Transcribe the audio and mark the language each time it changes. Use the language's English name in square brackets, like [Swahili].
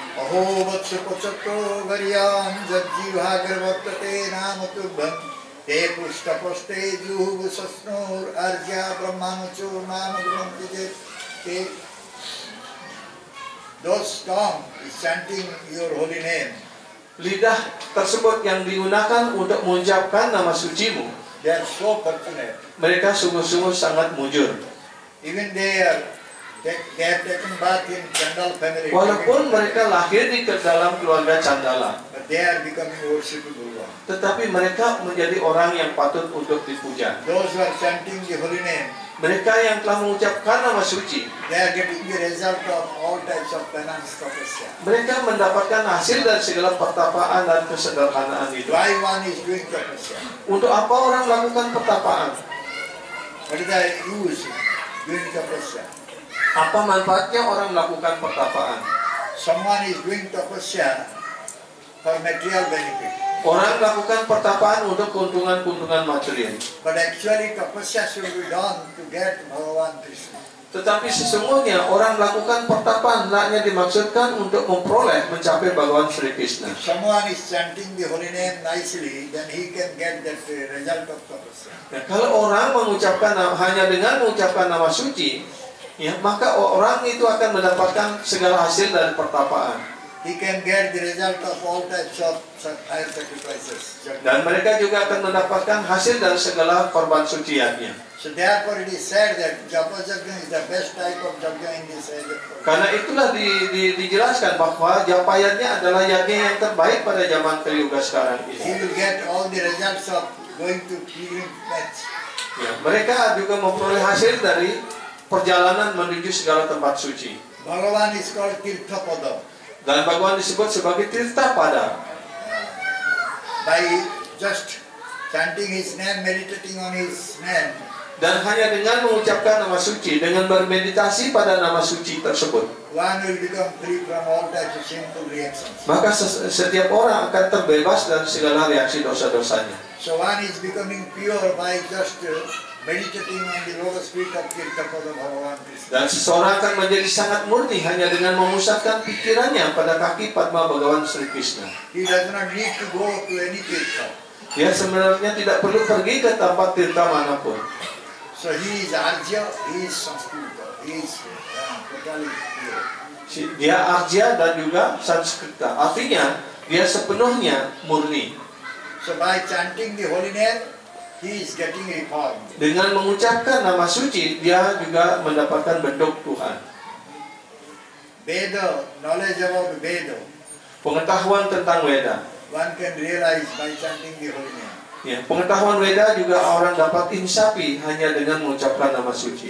[Sanskrit] Aho vatsa pachato varyam jajji bhagavatate namatubham te pushtapaste juhu sasnur arjya brahmanucho namagramti te. [English] Those tongue is chanting your holy name. [Indonesian] Lidah tersebut yang digunakan untuk mengucapkan nama sucimu, [English] they are so fortunate. [Indonesian] Mereka sungguh-sungguh sangat mujur. [English] Even they have taken birth in Chandala family. [Indonesian] Walaupun mereka lahir di dalam keluarga Chandala, [English] but they are becoming worshipful Buddha. [Indonesian] Tetapi mereka menjadi orang yang patut untuk dipuja. [English] Those who are chanting the holy name. [Indonesian] Mereka yang telah mengucapkan nama suci. [English] They are getting the result of all types of penance tapasya. [Indonesian] Mereka mendapatkan hasil dari segala pertapaan dan kesederhanaan itu. [English] Why one is doing tapasya? [Indonesian] Untuk apa orang melakukan pertapaan? [English] What is the use doing tapasya? [Indonesian] Apa manfaatnya orang melakukan pertapaan? [English] Someone is doing tapasya for material benefit. [Indonesian] Orang melakukan pertapaan untuk keuntungan-keuntungan material. [English] But actually tapasya should be done to get Bhagavan Krishna. [Indonesian] Tetapi sesungguhnya orang melakukan pertapaan hanya dimaksudkan untuk memperoleh mencapai Bhagavan Sri Krishna. [English] If someone is chanting the holy name nicely, then he can get that result of tapasya. [Indonesian] Nah, kalau orang mengucapkan hanya dengan mengucapkan nama suci, ya, maka orang itu akan mendapatkan segala hasil dari pertapaan. [English] He can get the result of all types of higher sacrifices. [Indonesian] Dan mereka juga akan mendapatkan hasil dari segala korban suciannya. [English] So therefore it is said that japa yajna is the best type of yajna in this age. [Indonesian] Karena itulah dijelaskan bahwa japa yajna adalah yajna yang terbaik pada zaman Kaliyuga sekarang ini. [English] He will get all the results of going to pilgrimage. [Indonesian] Ya, mereka juga memperoleh hasil dari perjalanan menuju segala tempat suci. [English] Bhagavan is called Tirtha Pada. [Indonesian] Dan Bhagavan disebut sebagai Tirtha Pada. [English] By just chanting his name, meditating on his name. [Indonesian] Dan hanya dengan mengucapkan nama suci, dengan bermeditasi pada nama suci tersebut, [English] one will become free from all types of sinful reactions. [Indonesian] Maka setiap orang akan terbebas dari segala reaksi dosa-dosanya. [English] So one is becoming pure by just meditating on the lotus feet of Tirtha Pada Bhagavan Krishna. [Indonesian] Dan seseorang akan menjadi sangat murni hanya dengan memusatkan pikirannya pada kaki Padma Bhagavan Sri Krishna. [English] He does not need to go to any tirtha. [Indonesian] Dia sebenarnya tidak perlu pergi ke tempat tirtha manapun. [English] So he is Arjya, he is Sanskrita, he is totally pure. [Indonesian] Dia Arjya dan juga Sanskrita. Artinya dia sepenuhnya murni. [English] So by chanting the holy name, he is getting reformed. [Indonesian] Dengan mengucapkan nama suci, dia juga mendapatkan bentuk Tuhan. [English] Veda, knowledge about Veda. [Indonesian] Pengetahuan tentang Veda. [English] One can realize by chanting the holy name. [Indonesian] Ya, pengetahuan Veda juga orang dapat insapi hanya dengan mengucapkan nama suci.